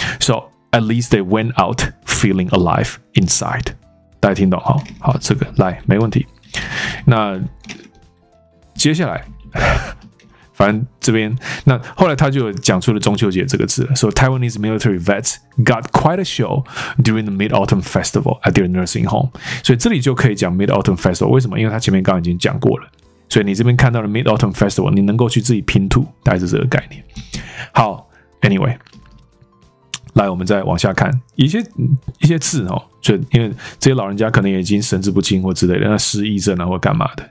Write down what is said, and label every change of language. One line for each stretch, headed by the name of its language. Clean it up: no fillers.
English: So, at least they went out feeling alive inside.
Chinese: 大家听懂齁？好，这个，来，没问题。那，接下来，反正这边，那后来他就讲出了中秋节这个字了。
English: So, Taiwanese military vets got quite a show during the Mid-Autumn Festival at their nursing home.
Chinese: 所以这里就可以讲 Mid-Autumn Festival. 为什么？因为他前面刚已经讲过了。所以你这边看到的 Mid-Autumn Festival, 你能够去自己拼图，大概是这个概念。好 ,Anyway, 来我们再往下看。一些字哦，就因为这些老人家可能已经神志不清或之类的，那失忆症啊或干嘛的。